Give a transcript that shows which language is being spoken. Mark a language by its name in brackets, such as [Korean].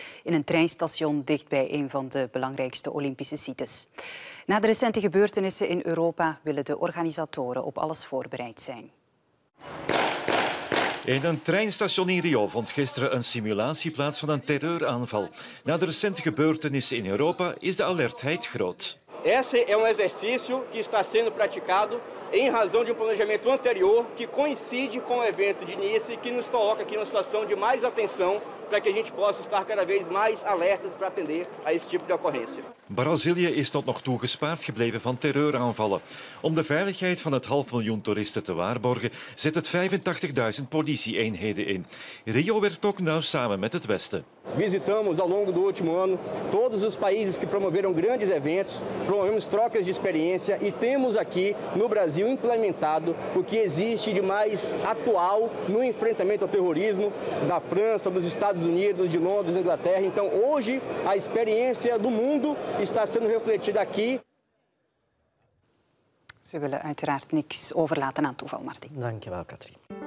[Dutch] In een treinstation dichtbij een van de belangrijkste Olympische sites. Na de recente gebeurtenissen in Europa willen de organisatoren op alles voorbereid zijn. In een treinstation in Rio vond gisteren een simulatie plaats van een terreuraanval. Na de recente gebeurtenissen in Europa is de alertheid groot. [Portuguese] Esse é um exercício que está sendo praticado em razão de um planejamento anterior que coincide com o evento de Nice que nos coloca aqui numa situação de mais atenção para que a gente possa estar cada vez mais alertas para atender a esse tipo de ocorrência. [Dutch] Brasília is tot nog toe gespaard gebleven van terreuraanvallen. Om de veiligheid van het 500.000 toeristen te waarborgen, zet het 85.000 politieeenheden in. Rio werkt ook nauw samen met het Westen. [Portuguese] Visitamos ao longo do último ano todos os países que promoveram grandes eventos, promovemos trocas de experiência e temos aqui no Brasil implementado o que existe de mais atual no enfrentamento ao terrorismo da França, dos Estados Unidos, de Londres, da Inglaterra. Então, hoje, a experiência do mundo está sendo refletida aqui. [Dutch] Ze willen uiteraard niks overlaten aan toeval, Martin. Dankjewel, Katrien.